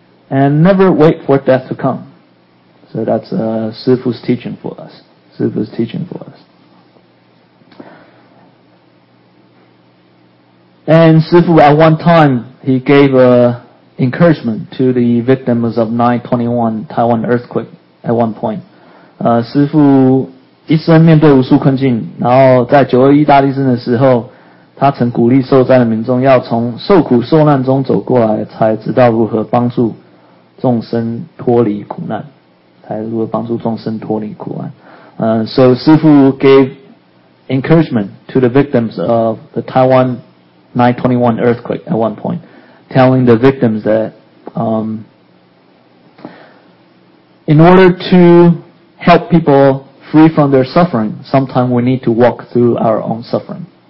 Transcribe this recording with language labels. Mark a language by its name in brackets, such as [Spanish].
[English] And never wait for death to come. So that's Sifu's teaching for us. Sifu's teaching for us. And Sifu at one time, he gave an encouragement to the victims of 921 Taiwan earthquake at one point. [Chinese] 师父一生面对无数困境，然后在921大地震的时候，他曾鼓励受灾的民众要从受苦受难中走过来，才知道如何帮助众生脱离苦难，才如何帮助众生脱离苦难。 [English] So 师父 gave encouragement to the victims of the Taiwan 921 earthquake at one point, telling the victims that in order to help people free from their suffering, sometimes we need to walk through our own suffering.